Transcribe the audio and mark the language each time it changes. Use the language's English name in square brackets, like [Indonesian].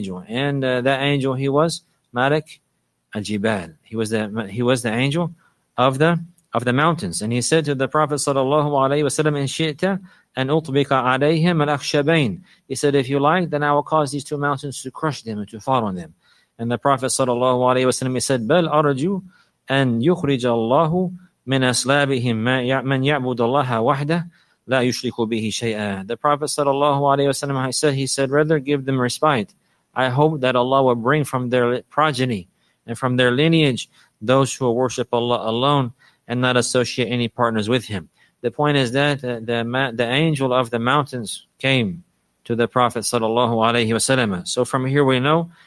[English] And that angel, he was Malik al-Jibal. He was the angel of the mountains. And he said to the Prophet sallallahu alayhi wa sallam, [Arabic] إِنْشِئْتَ أَنْ أُطْبِقَ عَلَيْهِمْ الْأَخْشَبَيْنِ. [English] He said, if you like, then I will cause these two mountains to crush them and to fall on them. And the Prophet sallallahu alayhi wa sallam, he said, [Arabic] بَلْ أَرْجُ أَنْ يُخْرِجَ اللَّهُ من أسلابهم من يعبد الله وحده لا يشرك به شيئا. [English] The Prophet sallallahu alaihi wasallam, he said, rather give them respite. I hope that Allah will bring from their progeny and from their lineage those who will worship Allah alone and not associate any partners with Him. The point is that the angel of the mountains came to the Prophet sallallahu alaihi wasallam. So from here we know